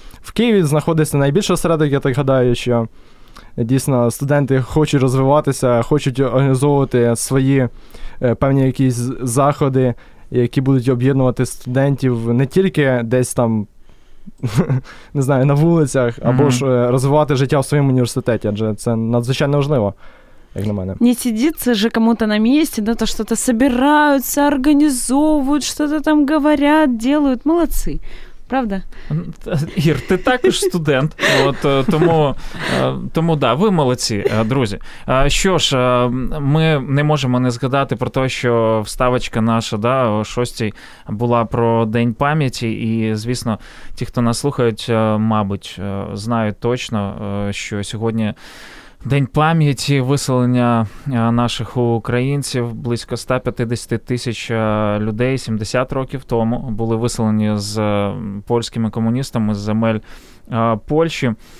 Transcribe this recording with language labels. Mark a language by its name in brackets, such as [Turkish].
[Ukrainian] В Києві знаходиться найбільший осередок, я так гадаю, що дійсно студенти хочуть розвиватися, хочуть організовувати свої певні якісь заходи, які будуть об'єднувати студентів не тільки десь там, не знаю, на вулицях, або ж розвивати життя в своєму університеті, адже це надзвичайно важливо. Як на мене. [Russian] Не сидиться же кому-то на місці, да, то что-то собираются, организовывают, что-то там говорят, делают. Молодцы. Правда? [Ukrainian] Ір, ти також студент, от, тому да, ви молодці, друзі. Що ж, ми не можемо не згадати про те, що вставочка наша, да, о 6-й, була про День пам'яті, і, звісно, ті, хто нас слухають, мабуть, знають точно, що сьогодні День пам'яті, виселення наших українців, близько 150 тисяч людей 70 років тому були виселені з польськими комуністами з земель Польщі.